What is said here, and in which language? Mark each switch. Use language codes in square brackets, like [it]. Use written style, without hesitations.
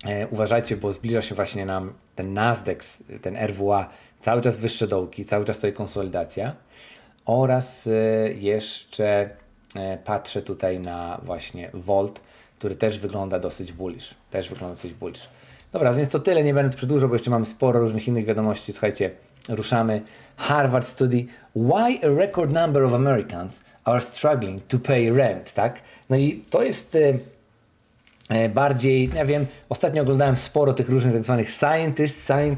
[pl] Uważajcie, bo zbliża się właśnie nam ten Nasdaq, ten RWA, cały czas wyższe dołki, cały czas stoi konsolidacja. Oraz jeszcze patrzę tutaj na właśnie Volt, który też wygląda dosyć bullish. Też wygląda dosyć bullish. Dobra, więc to tyle, nie będę przedłużał, bo jeszcze mamy sporo różnych innych wiadomości. Słuchajcie, ruszamy. [en] Harvard study. Why a record number of Americans are struggling to pay rent, tak? [pl] No i to jest bardziej, ja wiem, ostatnio oglądałem sporo tych różnych tak zwanych scientist.